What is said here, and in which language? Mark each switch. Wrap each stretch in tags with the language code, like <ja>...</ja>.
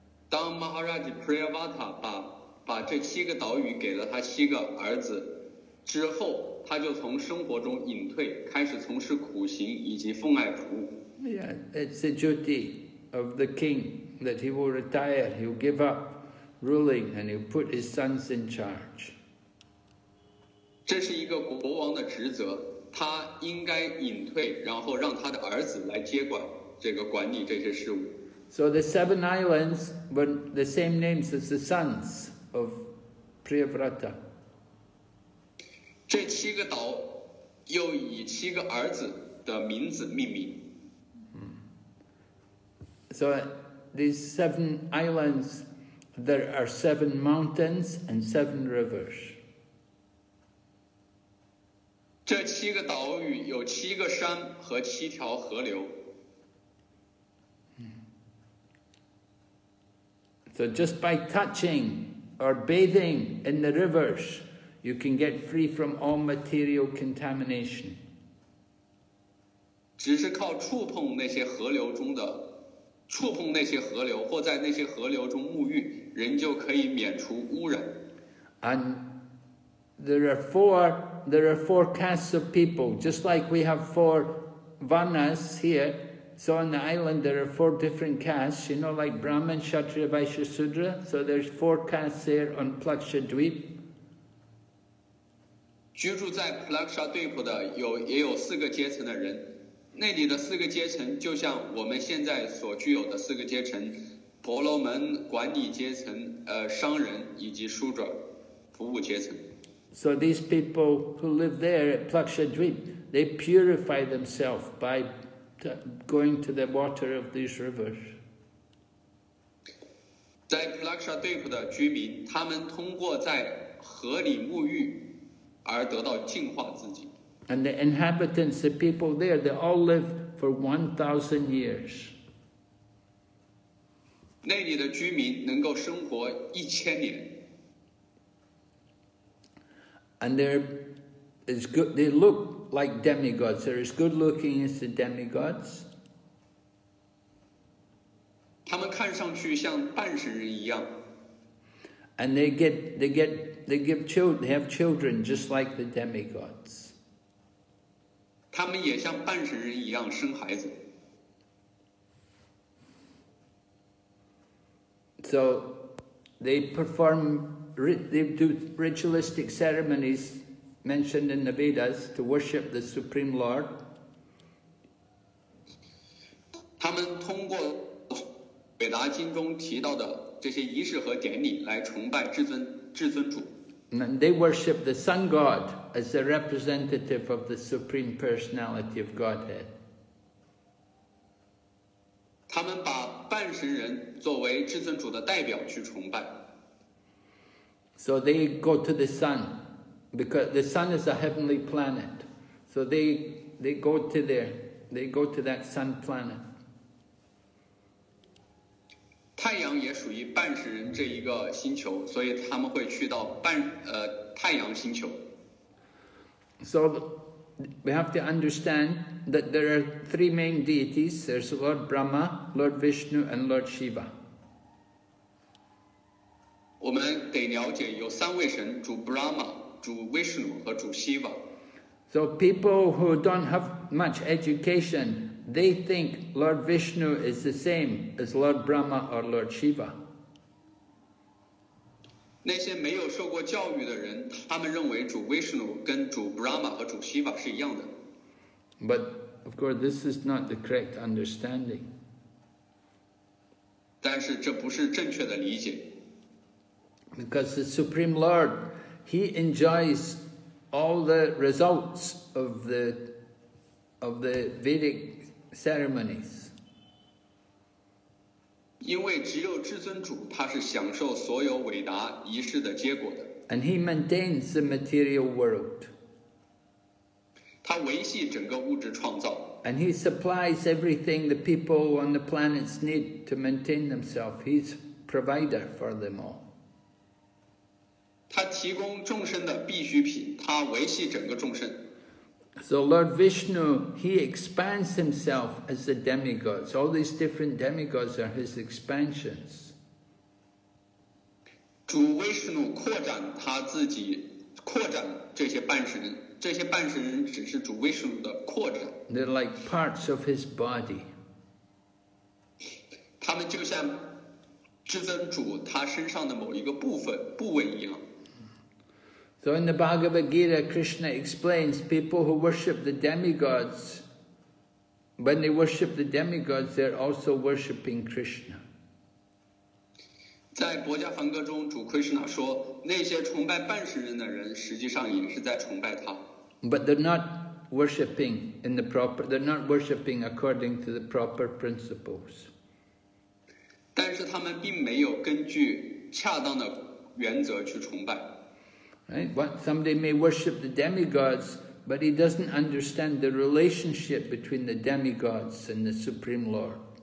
<zh>当 Maharaj Priyavrata 把这七个岛屿给了他七个儿子之后，他就从生活中隐退，开始从事苦行以及奉爱服务。</zh> <en>Yeah, it's the duty of the king that he will retire, he'll give up ruling, and he'll put his sons in charge.</en> <zh>这是一个国王的职责，他应该隐退，然后让他的儿子来接管这个管理这些事务。</zh> <en>So the seven islands were the same names as the sons of Priyavrata.</en> <zh>这七个岛又以七个儿子的名字命名。</zh> <en>So these seven islands, there are seven mountains and seven rivers.</en> <zh>这七个岛屿有七个山和七条河流。</zh> <en>So just by touching or bathing in the rivers, you can get free from all material contamination.</en> <zh>只是靠触碰那些河流中的，触碰那些河流，或在那些河流中沐浴，人就可以免除污染。</zh> <en>And there are four castes of people, just like we have four varnas here. So on the island, there are four different castes, you know, like Brahman, Kshatriya, Vaishya, Sudra. So there's four castes here on Plakshadweep.</en> <zh>居住在 Plakshadweep 的有也有四个阶层的人。那里的四个阶层就像我们现在所具有的四个阶层，婆罗门管理阶层，商人以及书者服务阶层。</zh> <en>So these people who live there at Plakshadweep, they purify themselves by going to the water of these rivers.</en> <zh>在 Plakshadweep 的居民，他们通过在河里沐浴而得到净化自己。</zh> <en>And the inhabitants, the people there, they all live for 1,000 years.</en> <zh>那里的居民能够生活一千年。</zh> <en>And they're as good, they look like demigods. They're as good looking as the demigods.</en> <zh>他们看上去像半神人一样。</zh> <en>And they have children just like the demigods.</en> <zh>他们也像半神人一样生孩子。</zh> <en>So they perform, they do ritualistic ceremonies mentioned in the Vedas to worship the Supreme Lord.</en> <zh>他们通过韦达经中提到的这些仪式和典礼来崇拜至尊主。</zh> <en>And they worship the sun god as the representative of the Supreme Personality of Godhead.</en> <zh>他们把半神人作为至尊主的代表去崇拜。</zh> <en>So they go to the sun, because the sun is a heavenly planet. So they go to that sun planet.</en> <zh>太阳也属于半神人这一个星球，所以他们会去到太阳星球。</zh> <en>So we have to understand that there are three main deities. There's Lord Brahma, Lord Vishnu, and Lord Shiva.</en> <zh>我们得了解有三位神，主 Brahma, 主 Vishnu 和主 Shiva.</zh> <en>So people who don't have much education, they think Lord Vishnu is the same as Lord Brahma or Lord Shiva.</en> <zh>那些没有受过教育的人，他们认为主 Vishnu 跟主 Brahma 和主 Shiva 是一样的。</zh> <en>But of course, this is not the correct understanding.</en> <zh>但是这不是正确的理解。</zh> <en>Because the Supreme Lord, he enjoys all the results of the Vedic ceremonies.</en> <zh>因为只有至尊主他是享受所有伟达仪式的结果的。</zh> <en>And he maintains the material world.</en> <zh>他维系整个物质创造。</zh> <en>And he supplies everything the people on the planets need to maintain themselves. He's provider for them all.</en> <zh>他提供众生的必需品，他维系整个众生。</zh> <en>So Lord Vishnu, he expands himself as the demigods. All these different demigods are his expansions.</en> <zh>主 Vishnu 扩展他自己，扩展这些半神人。这些半神人只是主 Vishnu 的扩展。</zh> <en>They're like parts of his body.</en> <zh>他们就像至尊主他身上的某一个部分部位一样。</zh> <en>So in the Bhagavad Gita, Krishna explains people who worship the demigods, when they worship the demigods, they're also worshipping Krishna.</en> <zh>在《薄伽梵歌》中，主 Krishna 说，那些崇拜半神人的人，实际上也是在崇拜他。</zh> <en>But they're not worshipping in the proper, they're not worshipping according to the proper principles.</en> <zh>但是他们并没有根据恰当的原则去崇拜。</zh> <en>Right? What, somebody may worship the demigods, but he doesn't understand the relationship between the demigods and the Supreme Lord.</en>